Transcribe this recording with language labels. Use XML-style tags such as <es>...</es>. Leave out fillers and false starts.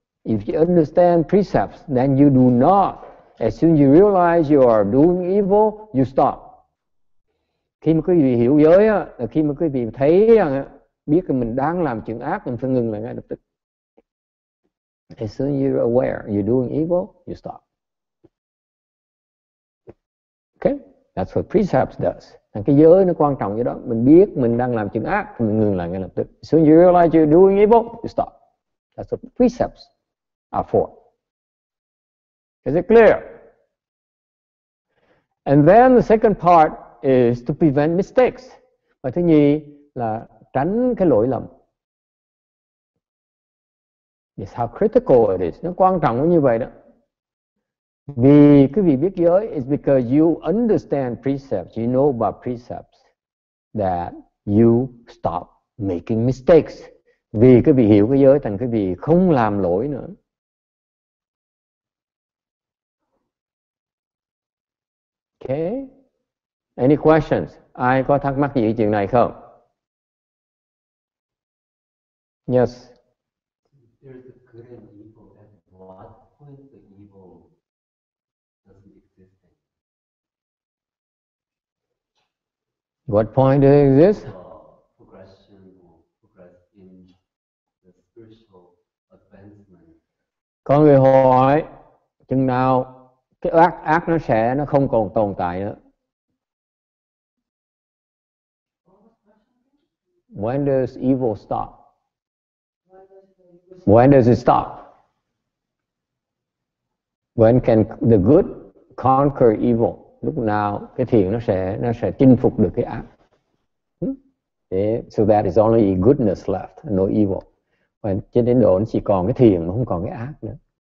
<en>If you understand precepts, then you do not. As soon as you realize you are doing evil, you stop.</en> <vi>Khi mà quý vị hiểu giới á, là khi mà quý vị thấy rằng á, biết là mình đang làm chuyện ác, mình phải ngừng lại ngay lập tức.</vi> <en>As soon as you're aware you're doing evil, you stop. Okay? That's what precepts does.</en> <vi>Thằng cái giới nó quan trọng như đó. Mình biết mình đang làm chuyện ác, mình ngừng lại ngay lập tức.</vi> <en>As soon as you realize you're doing evil, you stop. That's what precepts are four. Is it clear? And then the second part is to prevent mistakes.</en> <vi>Và thứ nhì là tránh cái lỗi lầm.</vi> <en>It's how critical it is.</en> <vi>Nó quan trọng như vậy đó. Vì quý vị biết giới,</vi> <en>it's because you understand precepts, you know about precepts, that you stop making mistakes.</en> <vi>Vì quý vị hiểu cái giới, thành quý vị không làm lỗi nữa.</vi> <en>Okay. Any questions?</en> <vi>Ai có thắc mắc gì về chuyện này không?</vi> <en>Yes. There's a good and evil. At what point the evil doesn't exist? What point does it exist? Progression or progress in the spiritual advancement.</en> <vi>Có người hỏi, chừng nào cái ác nó sẽ nó không còn tồn tại nữa.</vi> <en>When does evil stop? When does it stop? When can the good conquer evil?</en> <vi>Lúc nào cái thiện nó sẽ chinh phục được cái ác?</vi> <en>So that is only goodness left, no evil.</en> <vi>When, cho đến độ chỉ còn cái thiện mà không còn cái ác nữa.</vi>